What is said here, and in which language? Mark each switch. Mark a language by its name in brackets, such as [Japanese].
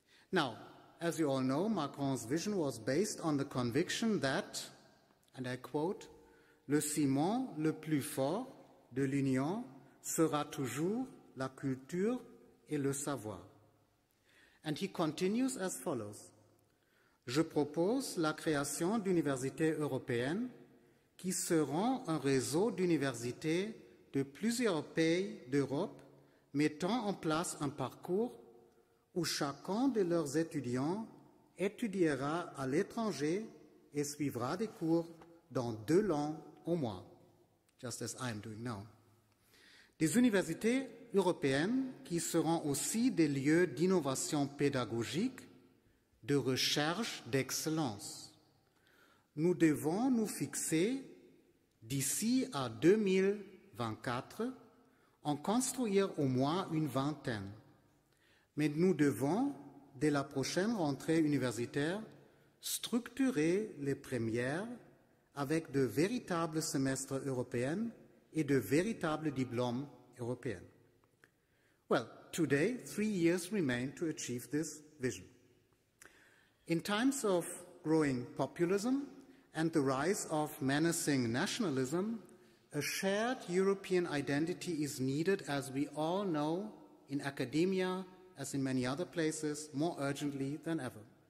[English] Now, as you all know, Macron's vision was based on the conviction that, and I quote, "Le ciment le plus fort de l'Union sera toujours la culture et le savoir." And he continues as follows. [French] "Je propose la création d'universités européennes qui seront un réseau d'universités de plusieurs pays d'Europe mettant en place un parcours où chacun de leurs étudiants étudiera à l'étranger et suivra des cours dans deux langues au moins." Just as I am doing now. "Des universités européennes qui seront aussi des lieux d'innovation pédagogique, de recherche d'excellence. Nous devons nous fixer d'ici à 2024 en construire au moins une vingtaine. Mais nous devons, dès la prochaine rentrée universitaire, structurer les premières avec de véritables semestres européens et de véritables diplômes européens." [English] Well, today, 3 years remain to achieve this vision. In times of growing populism and the rise of menacing nationalism, a shared European identity is needed, as we all know, in academia, as in many other places, more urgently than ever.